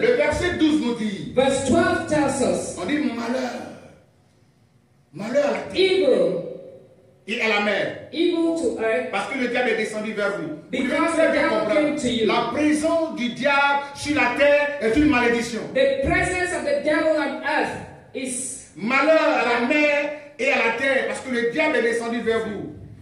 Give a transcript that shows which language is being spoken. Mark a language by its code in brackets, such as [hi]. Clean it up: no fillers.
[fr] Le verset 12 nous dit. [en] Verse 12 tells us. [fr] On dit malheur. Malheur. [en] Evil. [fr] Et à la mer. [en] Evil to earth. [fr] Parce que le diable est descendu vers vous. [en] Because the devil came to you. [fr] La présence du diable sur la terre est une malédiction. [en] The presence of the devil on earth is [fr] malheur à la mer et à la terre parce que le diable est descendu vers vous.